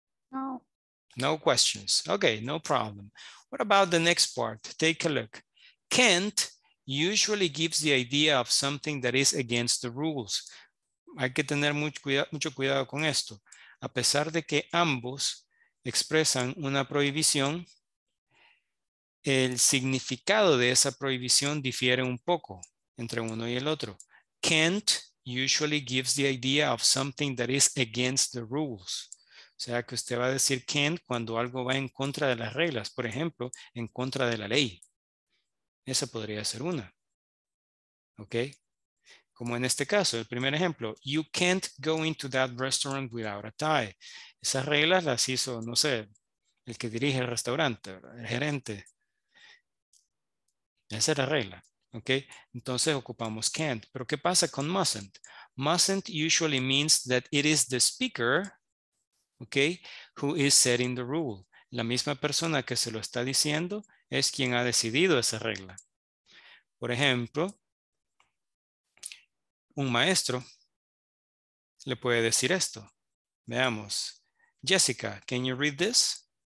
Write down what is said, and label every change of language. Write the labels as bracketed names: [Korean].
[English] No. No questions. Okay, no problem. What about the next part? Take a look. Can't usually gives the idea of something that is against the rules. [Spanish] Hay que tener mucho cuidado con esto. A pesar de que ambos expresan una prohibición, el significado de esa prohibición difiere un poco entre uno y el otro. [English] Can't usually gives the idea of something that is against the rules. [Spanish] O sea, que usted va a decir can't cuando algo va en contra de las reglas. Por ejemplo, en contra de la ley. Esa podría ser una. ¿Ok? Como en este caso, el primer ejemplo. [English] You can't go into that restaurant without a tie. [Spanish] Esas reglas las hizo, no sé, el que dirige el restaurante, el gerente. Esa es la regla. ¿Ok? Entonces ocupamos can't. ¿Pero qué pasa con mustn't? [English] Mustn't usually means that it is the speaker, okay, who is setting the rule. [Spanish] La misma persona que se lo está diciendo es quien ha decidido esa regla. Por ejemplo, un maestro le puede decir esto. [English] Veamos. Jessica, can you read this?